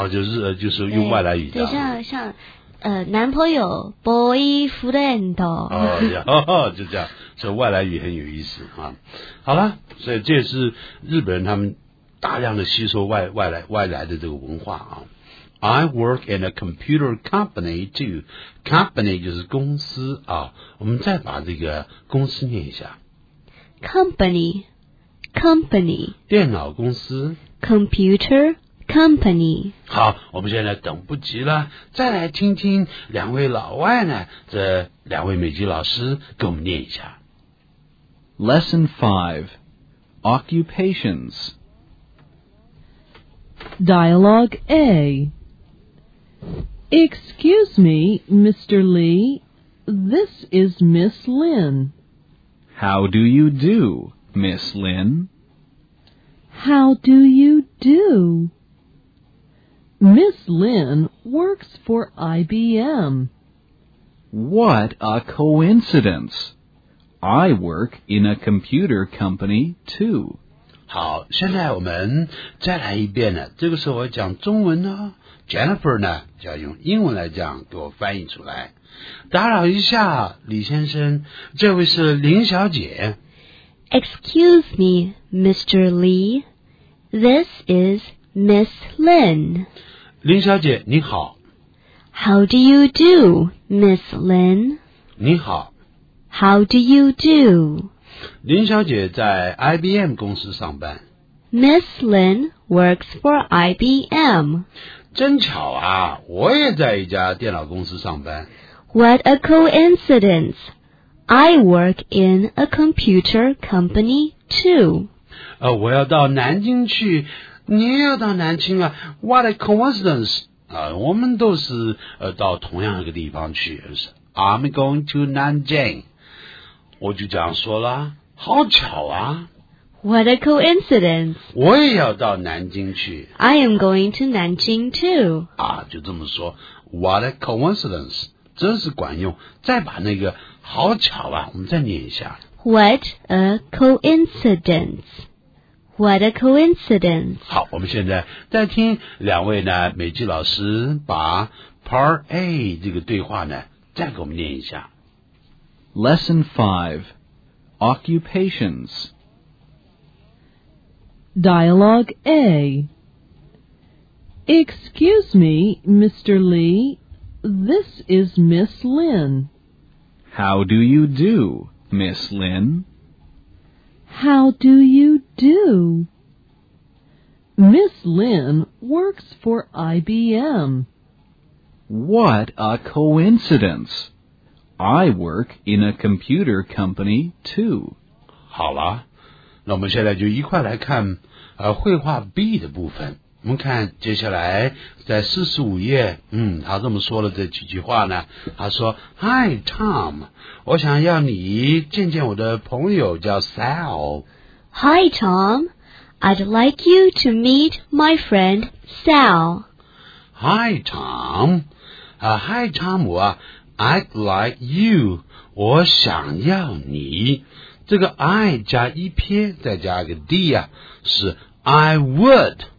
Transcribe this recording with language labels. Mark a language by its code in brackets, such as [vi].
[zh] 就是用外来语。对，像男朋友 boyfriend。就这样，这外来语很有意思啊。好了，所以这也是日本人他们大量的吸收外来的这个文化啊。 [en] I work in a computer company too. [zh] Company 就是公司啊。我们再把这个公司念一下。 [en] Company。 Company， [zh] 电脑公司。 [en] Computer company。 [zh] 好，我们现在等不及了，再来听听两位老外呢，这两位美籍老师给我们念一下。 [en] Lesson 5 Occupations Dialogue A. Excuse me, Mr. Lee. This is Miss Lin. How do you do, Miss Lin? How do you do? Miss Lin works for IBM. What a coincidence. I work in a computer company, too. [zh] 好，现在我们再来一遍呢。这个时候我讲中文呢， Jennifer 呢，就要用英文来讲，给我翻译出来。打扰一下，李先生，这位是林小姐。 [en] Excuse me, Mr. Lee. This is Miss Lin. [zh] 林小姐，你好。 [en] How do you do, Miss Lin? [zh] 你好。 [en] How do you do? [zh] 林小姐在 IBM 公司上班。 [en] Miss Lin works for IBM. [zh] 真巧啊，我也在一家电脑公司上班。 [en] What a coincidence. I work in a computer company too. [zh] 我要到南京去，你也要到南京啊 ？ [en] What a coincidence！ [zh] 我们都是到同样一个地方去，就是 [en] I'm going to [zh] 南京。我就这样说了，好巧啊 [en] ！What a coincidence！ [zh] 我也要到南京去。 [en] I am going to 南京 too。 [zh] 就这么说 ， [en] What a coincidence！ [zh] 真是管用。再把那个好巧啊，我们再念一下。 [en] What a coincidence！ What a coincidence. [zh] 好，我们现在再听两位呢美籍老师把 Part A 这个对话呢再给我们念一下。 [en] Lesson 5 Occupations Dialogue A. Excuse me, Mr. Lee. This is Miss Lin. How do you do, Miss Lin? How do you do? Miss Lin works for IBM. What a coincidence. I work in a computer company, too. [zh] 好了，那我们现在就一块来看绘画 B 的部分。我们看接下来在45页，他这么说了这几句话呢。他说 ,Hi, Tom, 我想要你见见我的朋友叫 Sal。 [en] Hi, Tom, I'd like you to meet my friend Sal. Hi, Tom, Hi, Tom, I'd like you, [zh] 我想要你。这个 I 加一撇再加一个 D 啊，是 [en] I would.